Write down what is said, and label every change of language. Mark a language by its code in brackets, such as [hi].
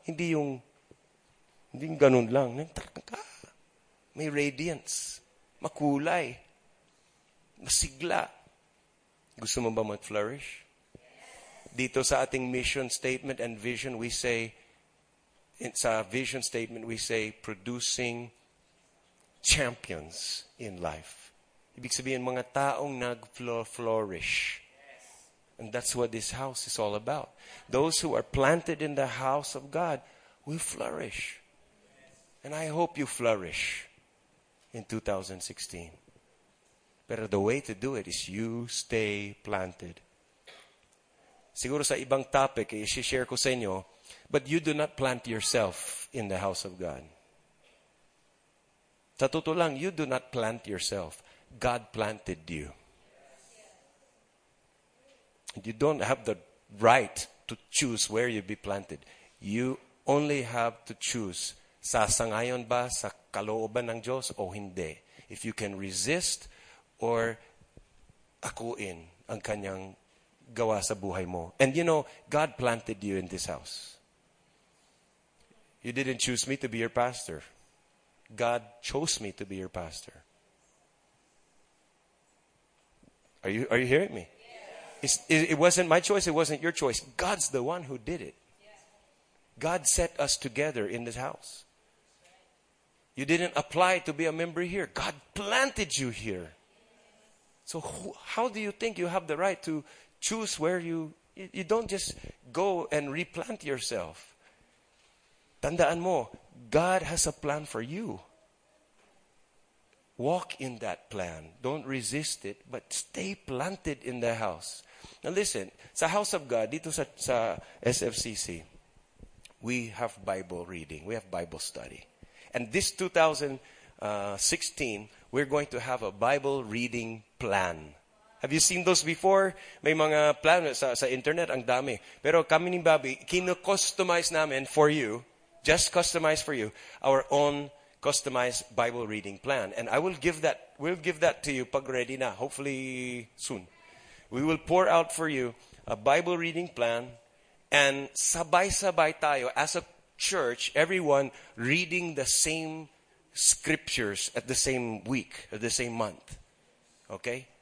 [tl] Hindi yung ganun lang. May radiance. Makulay. Masigla. Gusto mo ba mag-flourish? Dito sa ating [en] mission statement and vision, we say, it's a vision statement, we say, producing champions in life. [tl] Ibig sabihin, mga taong nag-flourish. [en] And that's what this house is all about. Those who are planted in the house of God will flourish. And I hope you flourish in 2016. But the way to do it is you stay planted. [tl] Siguro sa ibang topic, i-share ko sa inyo, [en] but you do not plant yourself in the house of God. [tl] Sa totoo lang, [en] you do not plant yourself. God planted you. You don't have the right to choose where you be planted. You only have to choose [tl] sasangayon ba sa kalooban ng Diyos o hindi. [en] If you can resist or [tl] akuin ang kanyang gawa sa buhay mo. [en] And you know, God planted you in this house. You didn't choose me to be your pastor. God chose me to be your pastor. Are you hearing me? Yes. It wasn't my choice. It wasn't your choice. God's the one who did it. God set us together in this house. You didn't apply to be a member here. God planted you here. So how do you think you have the right to choose where you don't just go and replant yourself. [tl] Tandaan mo, [en] God has a plan for you. Walk in that plan. Don't resist it, but stay planted in the house. Now listen, sa house of God, [tl] dito sa [en] SFCC, we have Bible reading. We have Bible study. And this 2016, we're going to have a Bible reading plan. Have you seen those before? [tl] May mga plan sa internet, ang dami. Pero kami ni Bobby, kino-customize namin [en] for you. Just customize for you our own customized Bible reading plan. And I will give that we'll give that to you [tl] pag ready na, [en] hopefully soon. We will pour out for you a Bible reading plan and [tl] sabay-sabay tayo [en] as a church, everyone reading the same scriptures at the same week, at the same month. Okay?